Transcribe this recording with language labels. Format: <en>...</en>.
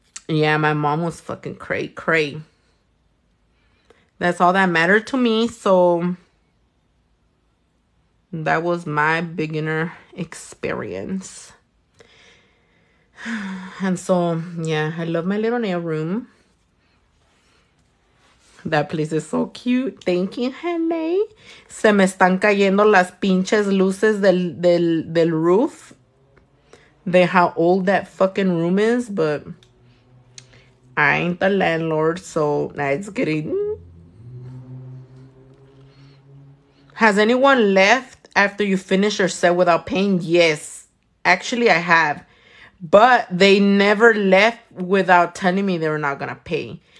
<en>Yeah, my mom was fucking cray cray. That's all that mattered to me. So that was my beginner experience. And so, yeah, I love my little nail room. That place is so cute. Thank you, honey.</en> <es>Se me están cayendo las pinches luces del roof.</es> <en>De how old that fucking room is, but I ain't the landlord, so nah, it's getting. Has anyone left after you finish your set without paying? Yes. Actually, I have. But they never left without telling me they were not going to pay.</en>